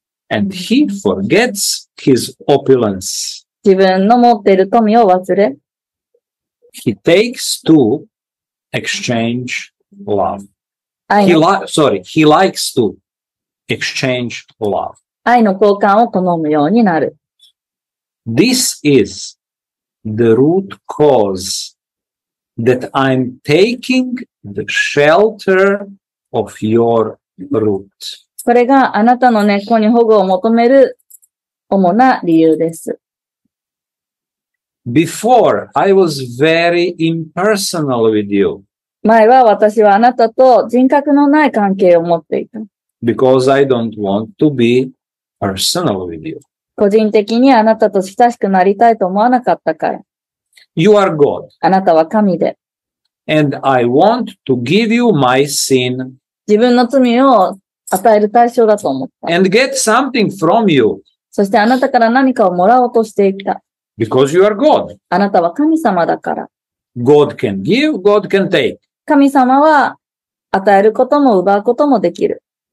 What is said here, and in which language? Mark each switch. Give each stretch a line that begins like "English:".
English: And he forgets his opulence.
Japanese: 自分の持っている富を忘れ。
English: He takes to exchange love. He likes to exchange love.
Japanese: 愛の交換を好むようになる。
English: This is the root cause that I'm taking the shelter of your root.
Japanese: これがあなたの猫に保護を求める主な理由です。
English: Before, I was very impersonal with you.
Japanese: 前は私はあなたと人格のない関係を持っていた。
English: Because I don't want to be personal with you.
Japanese: 個人的にあなたと親しくなりたいと思わなかったから。
English: You are God.
Japanese: あなたは神で。
English: And I want to give you my sin.
Japanese: 自分の罪を与える対象だと思った。
English: And get something from you.
Japanese: そしてあなたから何かをもらおうとしていた。
English: Because you are God.
Japanese: あなたは神様だから。
English: God can give, God can take.
Japanese: 神様は与えることも奪うこともできる。